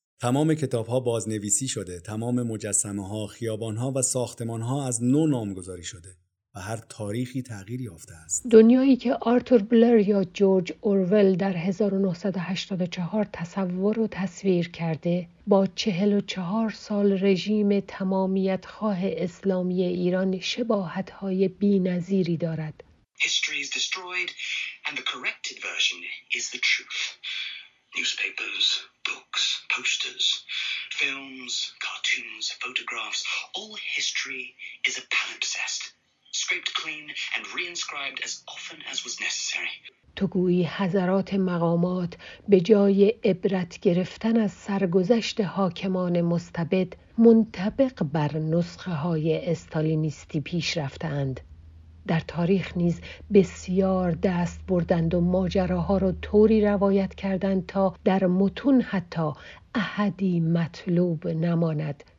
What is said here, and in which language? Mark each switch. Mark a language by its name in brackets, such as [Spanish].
[Persian] تمام کتاب ها بازنویسی شده، تمام مجسمه ها، خیابان ها و ساختمان ها از نو نامگذاری شده و هر تاریخی تغییر یافته است. دنیایی که آرتور بلر یا جورج اورول در 1984 تصور و تصویر کرده، با 44 سال رژیم تمامیت خواه اسلامی ایران شباهت های بی نظیری دارد. [English] History is destroyed and the corrected version is the truth. Newspapers, books, posters, films, cartoons, photographs, all history is a palimpsest, scraped clean and reinscribed as often as was necessary. [Persian] تو گویی حضرات مقامات به جای عبرت گرفتن از سرگذشت حاکمان مستبد منطبق بر نسخه های استالینیستی پیش رفتند. در تاریخ نیز بسیار دست بردند و ماجراها را طوری روایت کردند تا در متون حتی احدی مطلوب نماند.